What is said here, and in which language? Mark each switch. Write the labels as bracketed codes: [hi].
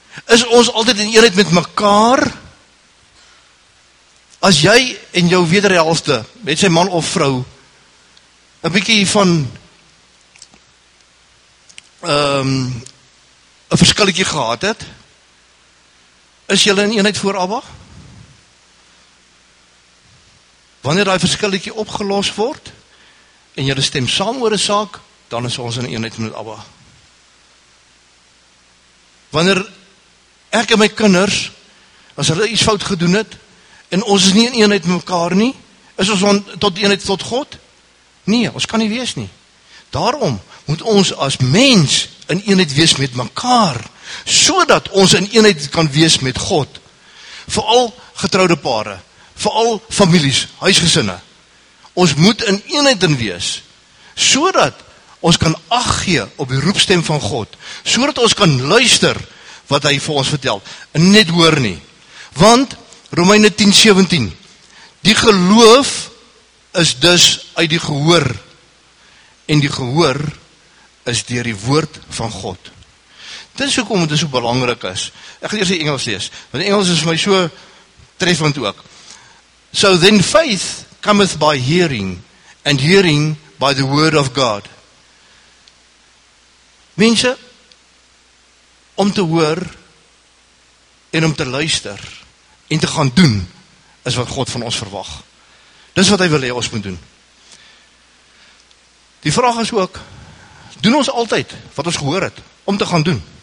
[af] Is ons altyd in eenheid met mekaar? As jy en jou wederhelfte, met sy man of vrou, 'n bietjie van 'n verskilletjie gehad het, is jy in eenheid voor Abba? Wanneer daai verskilletjie opgelos word en jy stem saam oor 'n saak, dan is ons in eenheid met Abba. Wanneer ek en my kinders, as hulle iets fout gedoen het en ons is nie in eenheid met mekaar nie, is ons tot eenheid tot God? Nee, ons kan nie wees nie. Daarom moet ons as mens in eenheid wees met mekaar, sodat ons in eenheid kan wees met God. Veral getroude pare, veral families, huisgesinne. Ons moet in eenheid in wees, sodat ons kan ag gee op die roepstem van God, sodat ons kan luister wat hy vir ons vertel, en net hoor nie. Want Romeine 10:17, die geloof is dus uit die gehoor, en die gehoor is deur die woord van God. Dit is hoekom dit so belangrik is. Ek gaan eers die Engels lees, want die Engels is vir my so treffend ook. [en] So then faith cometh by hearing, and hearing by the word of God. [af] Mense, om te hoor en om te luister en te gaan doen, is wat God van ons verwag. Dis wat hy wil hê ons moet doen. Die vraag is ook, doen ons altyd wat ons gehoor het, om te gaan doen?